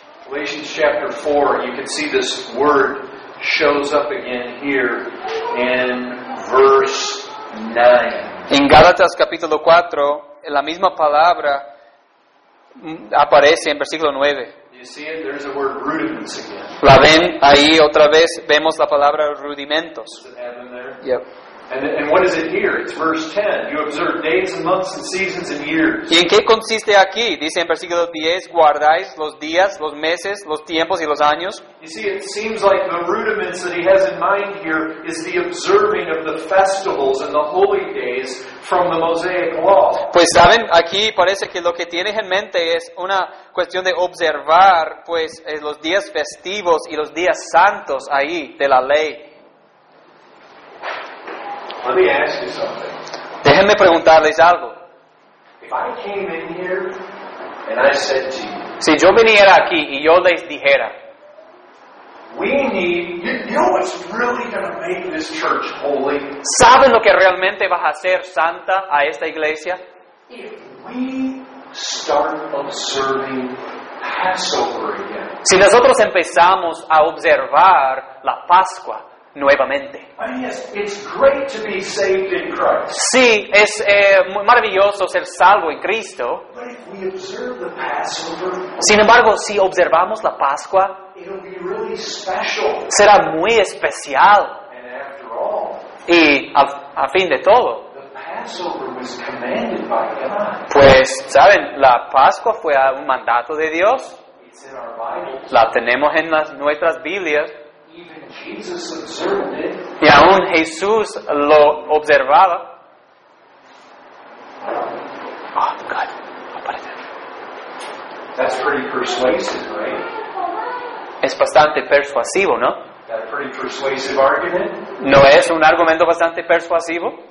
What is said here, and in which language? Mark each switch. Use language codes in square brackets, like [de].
[en] Galatians chapter 4, you can see this word shows up again here in verse 9. [es] En Gálatas capítulo 4, la misma palabra aparece en versículo 9. [en] You see it? There's the word rudiments again. [es] ¿La ven? Ahí otra vez vemos la palabra rudimentos. [en] Yep. And what is it here? It's verse 10. You observe days and months and seasons and years. [es] ¿Y en qué consiste aquí? Dice en versículo 10, guardáis los días, los meses, los tiempos y los años. [en] You see, it seems like the rudiments that he has in mind here is the observing of the festivals and the holy days from the Mosaic law. [es] Pues saben, aquí parece que lo que tienes en mente es una cuestión de observar pues los días festivos y los días santos ahí de la ley. [en] Let me ask you something. [es] Déjenme preguntarles algo. [en] If I came in here and I said to you, [es] si yo viniera aquí y yo les dijera, [en] we need, you know what's really going to make this church holy? [es] ¿Saben lo que realmente va a hacer santa a esta iglesia? [en] If we start observing Passover again. [es] Si nosotros empezamos a observar la Pascua nuevamente. [en] It's great to be saved in Christ. [es] Sí, es maravilloso ser salvo en Cristo. [en] But if we observe the Passover, [es] sin embargo, si observamos la Pascua, [en] it'll be really special. [es] Será muy especial. [en] And after all, [es] y a fin de todo, [en] the Passover was commanded by God. [es] Pues, ¿saben? La Pascua fue un mandato de Dios. [en] It's in our Bibles. [es] La tenemos en nuestras Biblias. [en] Jesus observed it. [es] Y aún Jesús lo observaba. [en] Oh, God. That's pretty persuasive, right? [es] Es bastante persuasivo, ¿no? [en] That pretty persuasive argument. [es] ¿No es un argumento bastante persuasivo?